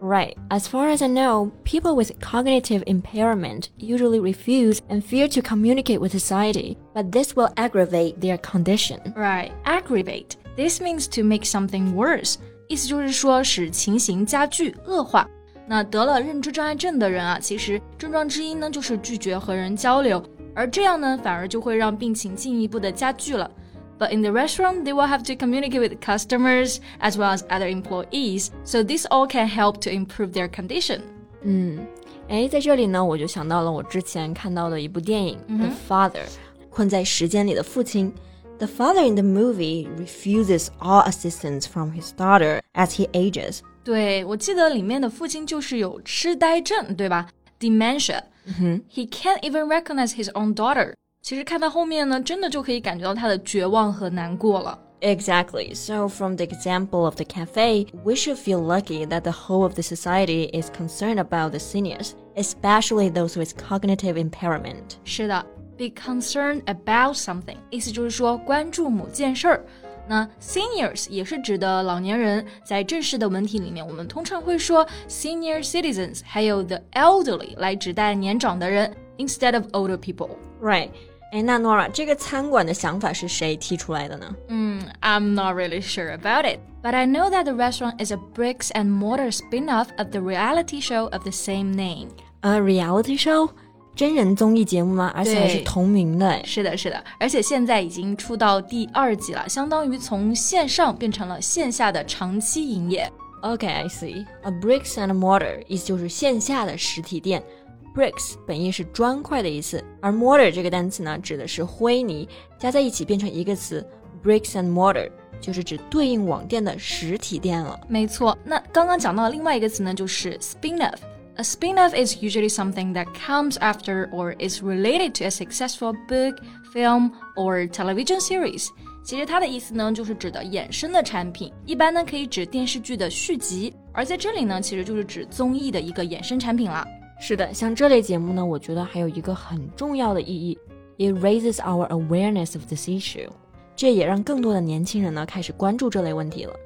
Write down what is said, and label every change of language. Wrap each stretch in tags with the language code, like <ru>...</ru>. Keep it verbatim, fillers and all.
<en>Right, as far as I know, people with cognitive impairment usually refuse and fear to communicate with society, but this will aggravate their condition. Right, aggravate. This means to make something worse.</en> <zh>意思就是说使情形加剧恶化。那得了认知障碍症的人啊，其实症状之一呢就是拒绝和人交流，而这样呢反而就会让病情进一步的加剧了。</zh> <en>But in the restaurant, they will have to communicate with customers as well as other employees, so this all can help to improve their condition.</en> <zh>嗯，哎，在这里呢我就想到了我之前看到的一部电影、 mm-hmm.</zh> <en>The Father,</en> <zh>困在时间里的父亲。</zh> <en>The father in the movie refuses all assistance from his daughter as he ages.</en> <zh>对，我记得里面的父亲就是有痴呆症，对吧？</zh> <en>dementia. He can't even recognize his own daughter.</en> <zh>其实看到后面呢，真的就可以感觉到他的绝望和难过了。</zh> <en>Exactly. So from the example of the cafe, we should feel lucky that the whole of the society is concerned about the seniors, especially those with cognitive impairment.</en> <zh>是的</zh> <en>be concerned about something.</en> <zh>意思就是说关注某件事儿。那 seniors 也是指的老年人，在正式的文体里面，我们通常会说 senior citizens 还有 the elderly 来指代年长的人</zh> <en>instead of older people. Right.</en> <zh>哎，那 Nora 这个餐馆的想法是谁提出来的呢？</zh> <en>嗯 I'm not really sure about it, but I know that the restaurant is a bricks and mortar spin-off of the reality show of the same name. A reality show?</en> <zh>真人综艺节目吗？而且还是同名的。是的，是的，而且现在已经出到第二季了，相当于从线上变成了线下的长期营业。</zh> <en>Okay, I see. A bricks and mortar</en> <zh>意思就是线下的实体店。 Bricks 本意是砖块的意思，而 mortar 这个单词呢，指的是灰泥，加在一起变成一个词 bricks and mortar， 就是指对应网店的实体店了。没错，那刚刚讲到的另外一个词呢，就是 spin-off。</zh> <en>A spin-off is usually something that comes after or is related to a successful book, film, or television series。</en> <zh>其实它的意思呢，就是指的衍生的产品，一般呢可以指电视剧的续集，而在这里呢，其实就是指综艺的一个衍生产品啦。是的，像这类节目呢，我觉得还有一个很重要的意义</zh> <en>It raises our awareness of this issue.</en> <zh>这也让更多的年轻人呢开始关注这类问题了。</zh>